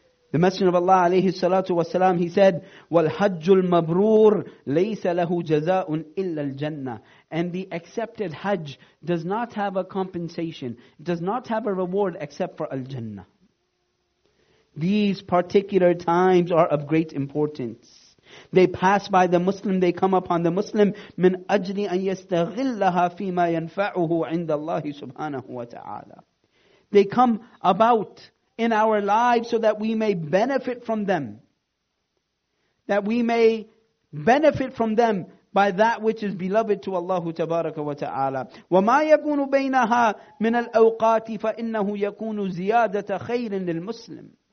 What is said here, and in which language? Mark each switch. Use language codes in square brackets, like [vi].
[en] The Messenger of Allah alayhi salatu wasalam, he said, [ar] وَالْحَجُّ الْمَبْرُورُ لَيْسَ لَهُ جَزَاءٌ إِلَّا الْجَنَّةِ. [en] And the accepted Hajj does not have a compensation, does not have a reward except for Al-Jannah. These particular times are of great importance. They pass by the Muslim, they come upon the Muslim, [ar] مِنْ أَجْلِ أَنْ يَسْتَغِلَّهَا فِي مَا يَنْفَعُهُ عِنْدَ اللَّهِ سُبْحَانَهُ وَتَعَالَى. [en] They come about in our lives so that we may benefit from them. That we may benefit from them by that which is beloved to Allah Tabaraka wa Ta'ala. [ar] وَمَا يَكُونُ بَيْنَهَا مِنَ الْأَوْقَاتِ فَإِنَّهُ يَكُونُ زِيَادَةَ خَيْرٍ لِلْمُسْلِمِ.